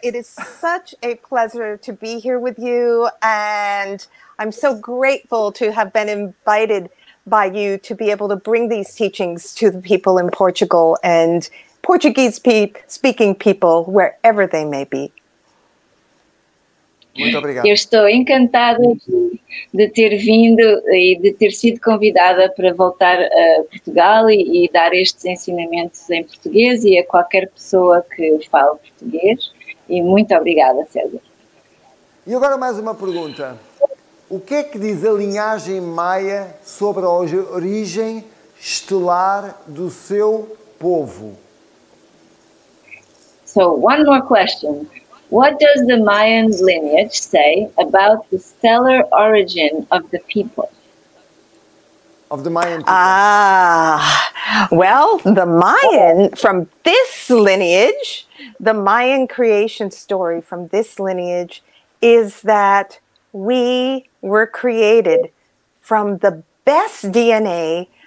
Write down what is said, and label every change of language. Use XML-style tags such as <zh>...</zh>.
<en>It is such a pleasure to be here with you, and I'm so grateful to have been invited by you to be able to bring these teachings to the people in Portugal and Portuguese speaking people wherever they may be.</en> <pt>Muito obrigado. Eu estou encantada de ter vindo e de ter sido convidada para voltar a Portugal e dar estes ensinamentos em português e a qualquer pessoa que fale português. E muito obrigada, César. E agora mais uma pergunta. O que é que diz a linhagem maia sobre a origem estelar do seu povo?</pt> <en>So, one more question. What does the Mayan lineage say about the stellar origin of the people? Of the Mayan people. Well, the Mayan, from this lineage, the Mayan creation story from this lineage is that we were created from the best DNA</en>